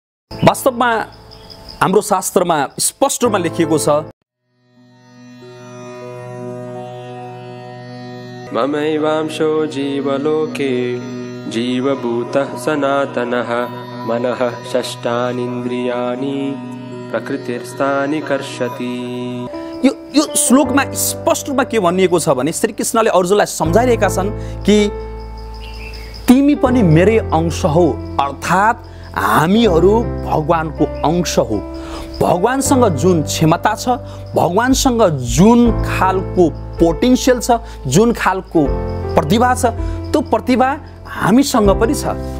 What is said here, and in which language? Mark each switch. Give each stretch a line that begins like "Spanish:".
Nepali: वास्तवमा हाम्रो शास्त्रमा स्पष्ट रूपमा लेखिएको छ
Sanskrit: ममैवांशो जीवलोके जीवभूतः सनातनः मनः षष्ठानिन्द्रियाणि प्रकृतिर्स्थानि कर्षति।
Nepali: यो श्लोकमा स्पष्ट रूपमा के भनिएको छ भने श्री कृष्णले अर्जुनलाई सम्झाइरहेका छन् कि तिमी पनि मेरै अंश हो, अर्थात् हामीहरू भगवानको अंश हो। भगवानसँग जुन क्षमता छ, भगवानसँग जुन खालको पोटेन्सियल छ, जुन खालको प्रतिभा छ, त्यो प्रतिभा हामीसँग पनि छ।